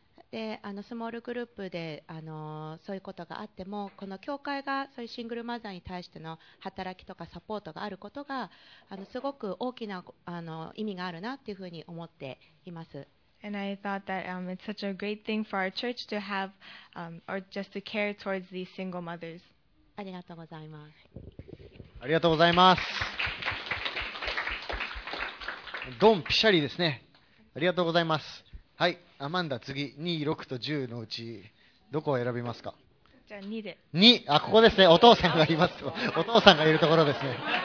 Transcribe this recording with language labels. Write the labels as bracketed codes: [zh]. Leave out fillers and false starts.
[ja] でスモールグループでそういうことがあってもこの教会がそういうシングルマザーに対しての働きとかサポートがあることがすごく大きな意味があるなっていうふうに思っています。 [en] And I thought that it's such a great thing for our church to have or just to care towards these single mothers. [ja] ありがとうございます。ありがとうございます。ドンピシャリですね。ありがとうございます。はい、アマンダ、次2、6と10のうちどこを選びますか。じゃあ2で。 2、あ、ここですね。お父さんがいます。お父さんがいるところですね。